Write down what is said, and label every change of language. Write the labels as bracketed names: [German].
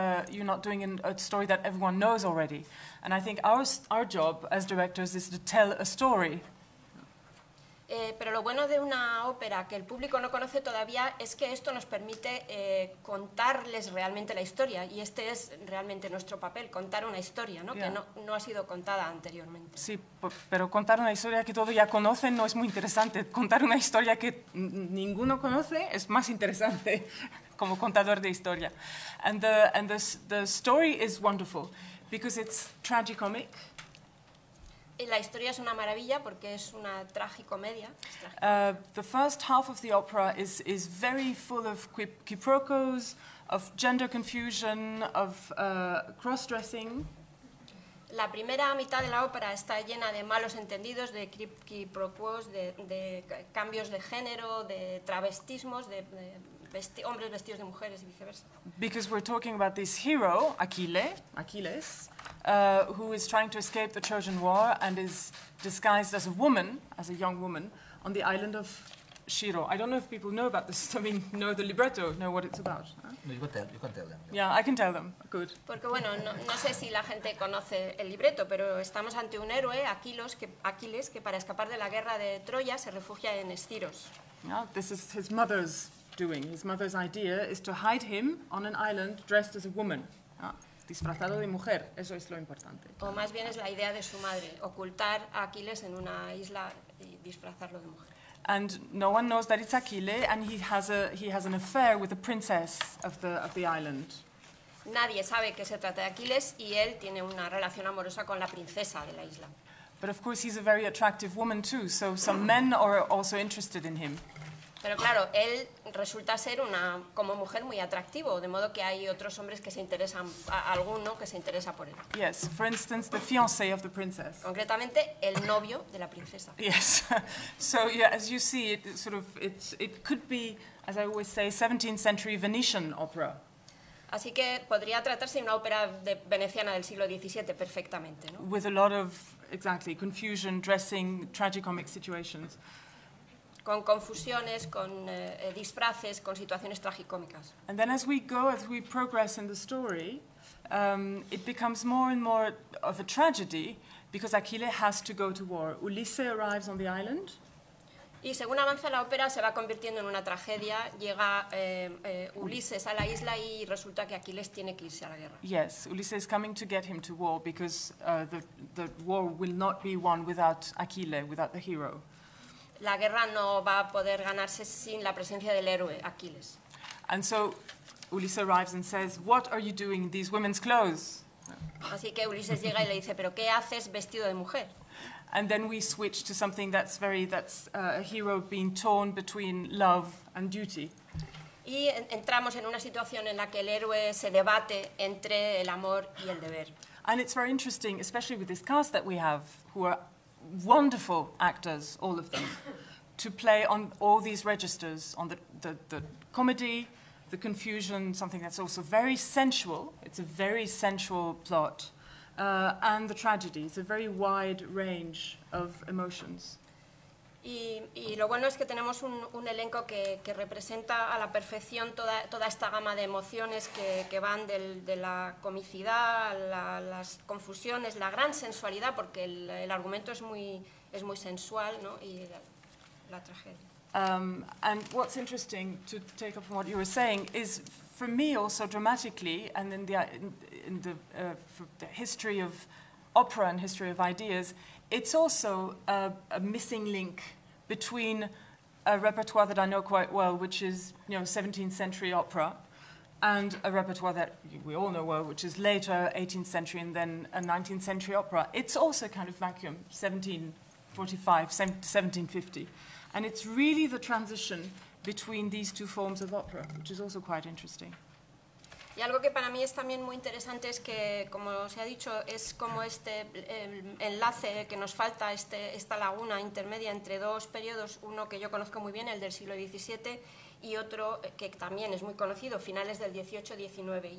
[English] You're not doing a story that everyone knows already. And I think our job as directors is to tell a story. [Spanish] Pero lo bueno de una ópera que el público no conoce todavía es que esto nos permite contarles realmente la historia, y este es realmente nuestro papel, contar una historia, ¿no? [English] Yeah. [Spanish] Que no ha sido contada anteriormente. Sí, pero contar una historia que todos ya conocen no es muy interesante. Contar una historia que ninguno conoce es más interesante como contador de historia. [English] And the story is wonderful because it's tragicomic. [Spanish] La historia es una maravilla porque es una tragicomedia. [English] The first half of the opera is very full of quiproquos, of gender confusion, of cross-dressing. [Spanish] La primera mitad de la ópera está llena de malos entendidos, de quiproquos, de cambios de género, de travestismos, de hombres vestidos de mujeres y viceversa. [English] Because we're talking about this hero, Aquiles. Who is trying to escape the Trojan War and is disguised as a woman, as a young woman, on the island of Shiro. I don't know if people know about this, I mean, know the libretto, know what it's about. You can tell them. Yeah, I can tell them. Good. [Spanish] Porque, bueno, no sé si la gente conoce el libretto, pero estamos ante un héroe, Aquiles, que para escapar de la guerra de Troya se refugia en Esciros. [English] Yeah, this is his mother's doing. His mother's idea is to hide him on an island dressed as a woman. [Spanish] Disfrazado de mujer, eso es lo importante. O más bien es la idea de su madre, ocultar a Aquiles en una isla y disfrazarlo de mujer. [English] And no one knows that it's Aquiles, and he has an affair with the princess of the island. [Spanish] Nadie sabe que se trata de Aquiles y él tiene una relación amorosa con la princesa de la isla. [English] But of course he's a very attractive woman too, so some men are also interested in him. [Spanish] Pero claro, él resulta ser una como mujer muy atractivo, de modo que hay otros hombres que se interesan, alguno que se interesa por él. [English] Yes, for instance, the fiancé of the princess. [Spanish] Concretamente, el novio de la princesa. [English] Yes, so yeah, as you see, it could be, as I always say, 17th century Venetian opera. [Spanish] Así que podría tratarse de una ópera de veneciana del siglo XVII perfectamente, ¿no? [English] With a lot of, exactly, confusion, dressing, tragicomic situations. [Spanish] Con confusiones, con disfraces, con situaciones tragicómicas. [English] And then as we go, as we progress in the story, it becomes more and more of a tragedy because Aquiles has to go to war. Ulises arrives on the island. [Spanish] Y según avanza la ópera, se va convirtiendo en una tragedia. Llega Ulises a la isla y resulta que Aquiles tiene que irse a la guerra. [English] Yes, Ulises is coming to get him to war because the war will not be won without Aquiles, without the hero. [Spanish] La guerra no va a poder ganarse sin la presencia del héroe, Aquiles. [English] And so Ulises arrives and says, "What are you doing in these women's clothes?" [Spanish] Así que Ulises llega y le dice, "¿Pero qué haces vestido de mujer?" [English] And then we switch to something that's a hero being torn between love and duty. [Spanish] Y entramos en una situación en la que el héroe se debate entre el amor y el deber. [English] And it's very interesting, especially with this cast that we have, who are wonderful actors, all of them, to play on all these registers, on the comedy, the confusion, something that's also very sensual, it's a very sensual plot, and the tragedy, it's a very wide range of emotions. [Spanish] Y lo bueno es que tenemos un elenco que representa a la perfección toda esta gama de emociones que van de la comicidad, las confusiones, la gran sensualidad, porque el argumento es muy sensual, ¿no? Y la tragedia. [English] And what's interesting to take up from what you were saying is, for me also dramatically, and in the history of opera and history of ideas, it's also a missing link between a repertoire that I know quite well, which is, you know, 17th century opera, and a repertoire that we all know well, which is later 18th century and then a 19th century opera. It's also kind of vacuum, 1745, 1750. And it's really the transition between these two forms of opera, which is also quite interesting. [Spanish] Y algo que para mí es también muy interesante es que, como se ha dicho, es como este enlace que nos falta, esta laguna intermedia entre dos periodos, uno que yo conozco muy bien, el del siglo XVII, y otro que también es muy conocido, finales del XVIII-XIX.